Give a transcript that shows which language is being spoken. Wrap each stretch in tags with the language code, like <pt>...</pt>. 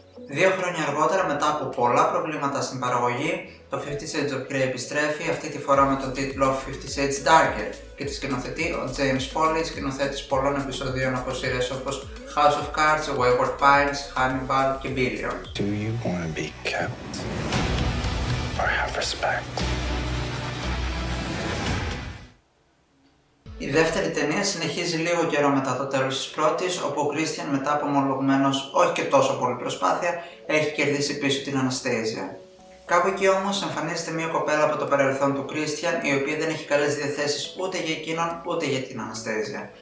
<el>Δύο χρόνια αργότερα, μετά από πολλά προβλήματα στην παραγωγή, το 50 Shades of Grey επιστρέφει, αυτή τη φορά με τον τίτλο 50 Shades Darker και τη σκηνοθετεί ο James Foley, σκηνοθέτης πολλών επεισοδίων από σειρές όπως House of Cards, Wayward Pines, Hannibal και Billion.</el> <en>Do you want to be kept or have respect?</en> <el>Η δεύτερη ταινία συνεχίζει λίγο καιρό μετά το τέλος της πρώτης, όπου ο Christian, μετά από ομολογμένος όχι και τόσο πολύ προσπάθεια, έχει κερδίσει πίσω την Anastasia. Κάπου εκεί όμως εμφανίζεται μια κοπέλα από το παρελθόν του Christian, η οποία δεν έχει καλές διαθέσεις ούτε για εκείνον ούτε για την Anastasia.</el>